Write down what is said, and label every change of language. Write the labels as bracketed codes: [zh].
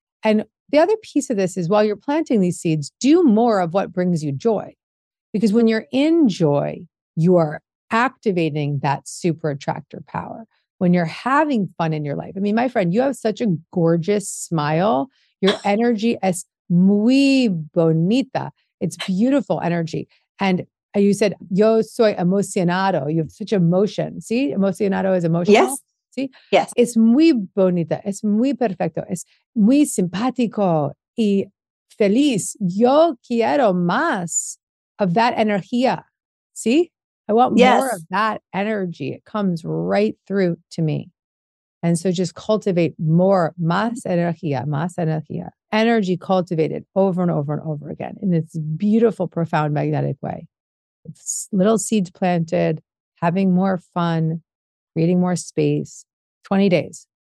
[en] And the other piece of this is while you're planting these seeds, do more of what brings you joy. Because when you're in joy, you are activating that super attractor power. When you're having fun in your life, I mean, my friend, you have such a gorgeous smile. Your energy is [es] muy bonita. [en] It's beautiful energy. And you said, [es] yo soy emocionado. [en] You have such emotion. See, emocionado is emotional. Yes. See? Yes. [es] Es muy bonita. Es muy perfecto. Es muy simpático y feliz. Yo quiero más [en] of that [es] energía. [en] See? I want yes. more of that energy. It comes right through to me. And so just cultivate more, [es] más energía, [en] energy cultivated over and over and over again in this beautiful, profound, magnetic way. It's little seeds planted, having more fun, creating more space, 20 days.